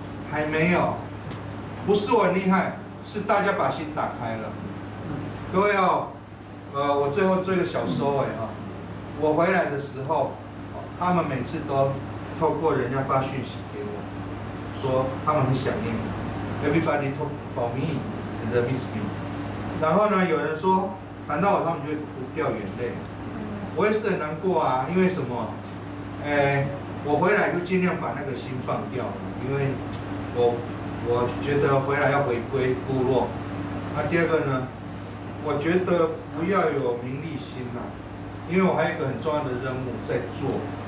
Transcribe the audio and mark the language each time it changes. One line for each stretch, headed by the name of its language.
Chinese: 还没有，不是我厉害，是大家把心打开了。各位哦，我最后做一个小收尾啊、哦。我回来的时候，他们每次都透过人家发讯息给我，说他们很想念我。
English: Everybody talk about me and they miss me。
Chinese: 然后呢，有人说谈到我，他们就会哭掉眼泪。我也是很难过啊，因为什么？我回来就尽量把那个心放掉，因为我觉得回来要回归部落。那第二个呢，我觉得不要有名利心啦、啊，因为我还有一个很重要的任务在做。